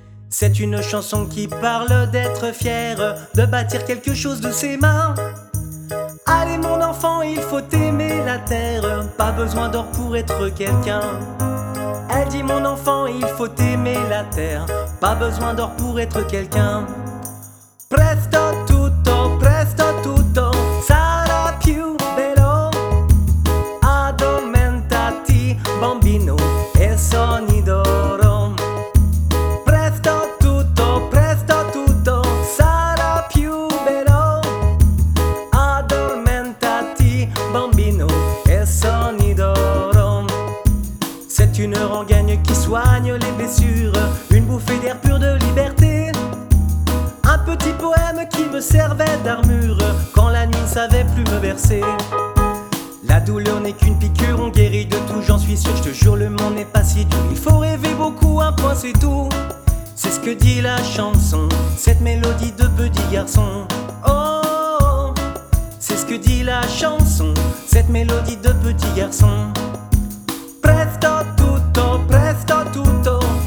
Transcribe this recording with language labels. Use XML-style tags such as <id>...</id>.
<fr>C'est une chanson qui parle d'être fier, de bâtir quelque chose de ses mains. Allez mon enfant, il faut aimer la terre, pas besoin d'or pour être quelqu'un. Elle dit mon enfant, il faut aimer la terre, pas besoin d'or pour être quelqu'un.</fr> <it>Presto tutto, presto tutto, sarà più bello. Addormentati, bambino, e sogni d'oro. Presto tutto, presto tutto, sarà più bello. Addormentati, bambino, e sogni d'oro.</it> <fr>C'est une rengaine qui soigne les blessures, une bouffée d'air pur de liberté. Petit poème qui me servait d'armure quand la nuit ne savait plus me bercer. La douleur n'est qu'une piqûre, on guérit de tout, j'en suis sûr, je te jure, le monde n'est pas si doux. Il faut rêver beaucoup, un point c'est tout. C'est ce que dit la chanson, cette mélodie de petit garçon. Oh, c'est ce que dit la chanson, cette mélodie de petit garçon.</fr> <it>Presto tutto, presto tutto.</it>